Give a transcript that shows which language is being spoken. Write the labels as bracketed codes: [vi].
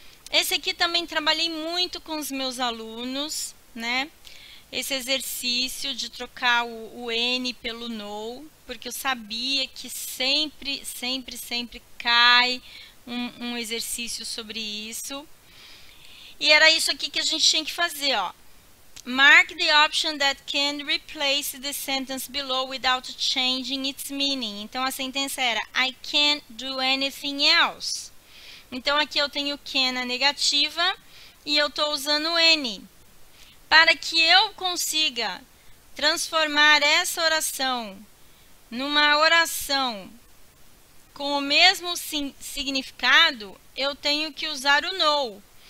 [pt] Esse aqui também trabalhei muito com os meus alunos, né? Esse exercício de trocar o N pelo no, porque eu sabia que sempre, sempre, sempre cai um exercício sobre isso. E era isso aqui que a gente tinha que fazer, ó. [en] Mark the option that can replace the sentence below without changing its meaning. [pt] Então, a sentença era, [en] I can't do anything else. [pt] Então, aqui eu tenho can na negativa e eu estou usando o N. Para que eu consiga transformar essa oração numa oração com o mesmo significado, eu tenho que usar o no.